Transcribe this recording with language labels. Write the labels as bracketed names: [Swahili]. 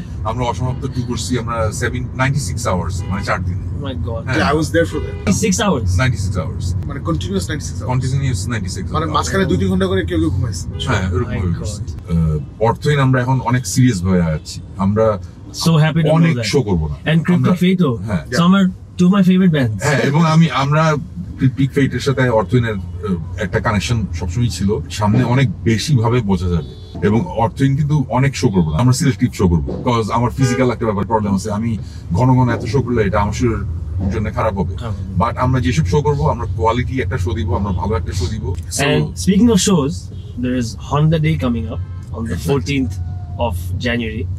[Bangla] আমরা অসমাপ্ত টু করছি, আমরা 96 আওয়ার্স, মানে চার দিন। [English] Oh my god. Yeah, I was there for that. 96 hours. মানে continuous 96 hours. Continuous 96 hours. [Bangla] মানে মাসখানেক দুই তিন ঘন্টা করে কেউ কেউ ঘুমাইছে। হ্যাঁ, এরকম হয়েছে। অর্থহীন আমরা এখন অনেক সিরিয়াস হয়ে আছি। আমরা [English] so happy to [Bangla] অনেক শো করবো না। [English] And Cryptic Fate, some are two of my favorite bands. [Bangla] হ্যাঁ, এবং আমরা Cryptic Fate এর সাথে অর্থহীনের একটা কানেকশন সবসময় ছিল, সামনে অনেক বেশি ভাবে বোঝা যাবে। এবং অর্থহীন কিন্তু অনেক শো করবো, আমরা সিলেক্টিভ শো করবো, বিকজ আমার ফিজিক্যাল একটা ব্যাপার প্রবলেম আছে। আমি ঘন ঘন এত শো করলে এটা আমার শরীরের জন্য খারাপ হবে। বাট আমরা যেসব শো করবো, আমরা কোয়ালিটি একটা শো দিব, আমরা ভালো একটা শো দিব। [English] And speaking of shows, there is Honda Day coming up on the 14th of January.